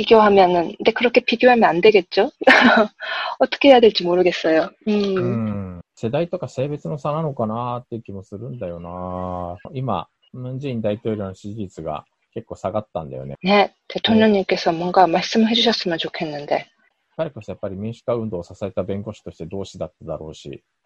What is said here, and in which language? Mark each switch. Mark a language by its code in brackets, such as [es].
[ko] 비교하면은, 근데 그렇게 비교하면 안 되겠죠? 어떻게 해야 될지 모르겠어요. [ja] 世代とか性別の差なのかなって気もするんだよな。今、 大統領の支持率が 結構下がったんだよね。 [ko] 네, 대통령님께서 뭔가 말씀해 주셨으면 좋겠는데. [ja] 彼こそやっぱり民主化運動を支えた弁護士として同志だっただろうし。